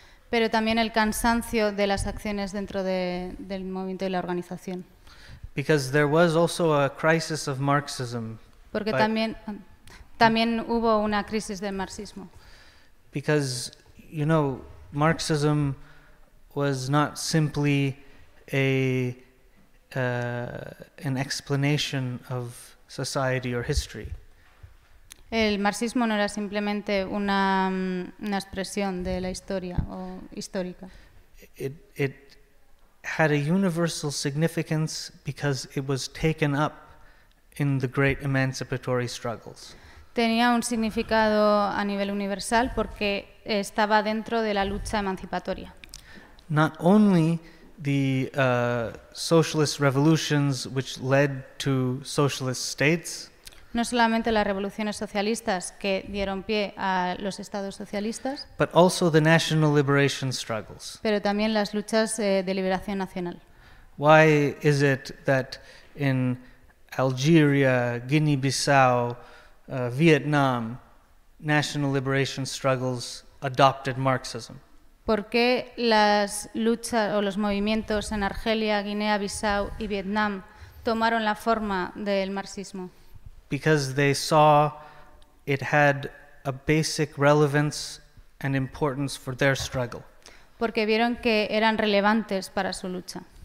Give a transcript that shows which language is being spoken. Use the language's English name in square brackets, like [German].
[Spanish] Pero también el cansancio de las acciones dentro del movimiento y la organización. [English] Because there was also a crisis of Marxism. [Spanish] Porque también hubo una crisis del marxismo. [English] Because, you know, Marxism was not simply an explanation of society or history. [Spanish] El marxismo no era simplemente una expresión de la historia o histórica. [English] It had a universal significance because it was taken up in the great emancipatory struggles. [Spanish] Tenía un significado a nivel universal porque estaba dentro de la lucha emancipatoria. [English] Not only the socialist revolutions which led to socialist states, [Spanish] no solamente las revoluciones socialistas que dieron pie a los estados socialistas, [English] but also the national liberation struggles. [Spanish] Pero también las luchas de liberación nacional. [English] Why is it that in Algeria, Guinea-Bissau, Vietnam, national liberation struggles adopted Marxism? [Spanish] ¿Por qué las luchas o los movimientos en Argelia, Guinea-Bissau y Vietnam tomaron la forma del marxismo? [English] Because they saw it had a basic relevance and importance for their struggle. [Spanish] Porque vieron que eran relevantes para su lucha.